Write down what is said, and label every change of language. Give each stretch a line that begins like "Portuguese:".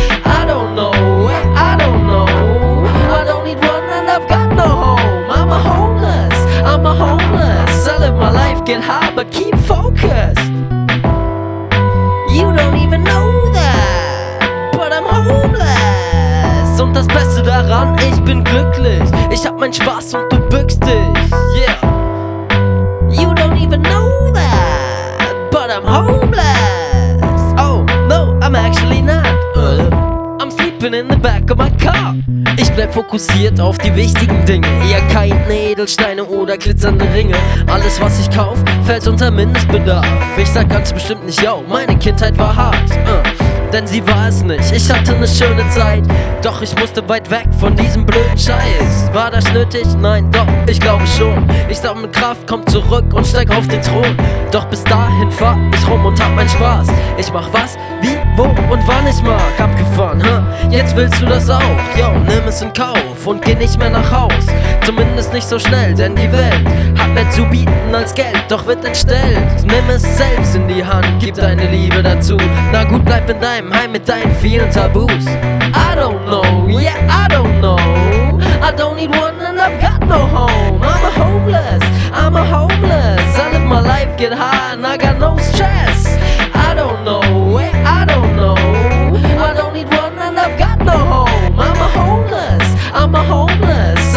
English: I don't know, yeah, I don't know. I don't need one and I've got no home. I'm a homeless, I'm a homeless. I live my life, get high, but keep focused. You don't even know that, but I'm homeless.
German: Und das Beste daran, ich bin glücklich. Ich hab meinen Spaß und du bückst dich. Yeah.
English: You don't even know that, but I'm homeless. Oh, no, I'm actually not. I'm sleeping in the back of my car.
German: Ich bleib fokussiert auf die wichtigen Dinge. Eher keine Edelsteine oder glitzernde Ringe. Alles was ich kauf, fällt unter Mindestbedarf. Ich sag ganz bestimmt nicht, yo, meine Kindheit war hart. Denn sie war es nicht, ich hatte eine schöne Zeit. Doch ich musste weit weg von diesem blöden Scheiß. War das nötig? Nein, doch, ich glaube schon. Ich sammle Kraft, komm zurück und steig auf den Thron. Doch bis dahin fahr ich rum und hab meinen Spaß. Ich mach was, wie, wo und wann ich mag. Abgefahren, hä? Jetzt willst du das auch? Yo, nimm es in Kauf und geh nicht mehr nach Haus. Zumindest nicht so schnell, denn die Welt hat mehr zu bieten als Geld. Doch wird entstellt, nimm es selbst in die Hand. Gib deine Liebe dazu, na gut, bleib in deinem Heim mit deinen vielen Tabus.
English: I don't know, yeah, I don't know. I don't need one and I've got no home. I'm a homeless, I'm a homeless. I live my life, get high and I got no stress. I don't know, yeah, I don't know. I don't need one and I've got no home. I'm a homeless, I'm a homeless.